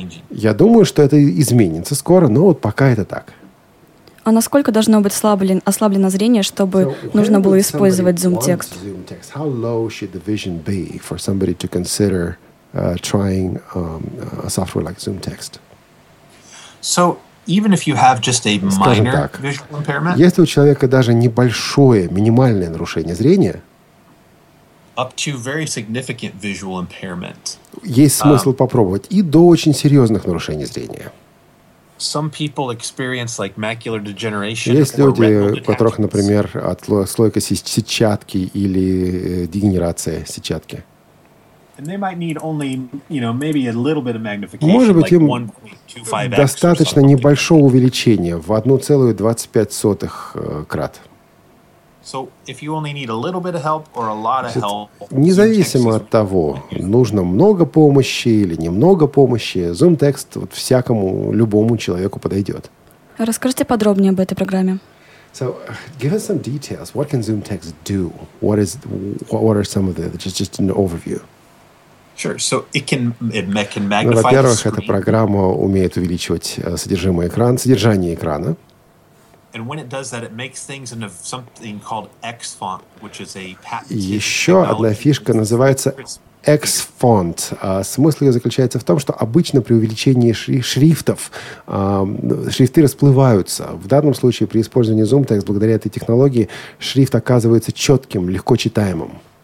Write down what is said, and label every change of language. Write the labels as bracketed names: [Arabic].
[Russian] Я думаю, что это изменится скоро, но вот пока это так. А насколько должно быть ослаблено зрение, чтобы нужно было использовать зум-текст? [English] How low should the vision be for somebody to consider trying a software like ZoomText? So, even if you have just a minor visual impairment, [Russian] если у человека даже небольшое, минимальное нарушение зрения, [English] up to very significant visual impairment, [Russian] есть смысл попробовать и до очень серьезных нарушений зрения. [English] Some people experience like macular degeneration. [Russian] Есть люди, у которых, например, отслойка сетчатки или дегенерация сетчатки. [English] And they might need only, you know, maybe a little bit of magnification. [Russian] Может быть, [English] like [Russian] им достаточно небольшого увеличения в 1,25 крат. [English] So if you only need a little bit of help or a lot of help, [Russian] независимо от того, нужно много помощи или немного помощи, ZoomText вот всякому любому человеку подойдет. Расскажите подробнее об этой программе. [English] So give us some details. What can ZoomText do? What are some of the an overview? Sure. So it can magnify. [Russian] Ну, во-первых, эта программа умеет увеличивать содержание экрана. [English] And when it does that, it makes things into something called XFont, which is a patented. [Russian] Еще одна фишка называется XFont. Смысл ее заключается в том, что обычно при увеличении шрифтов шрифты расплываются. В данном случае при использовании ZoomText благодаря этой технологии шрифт оказывается четким, легко читаемым.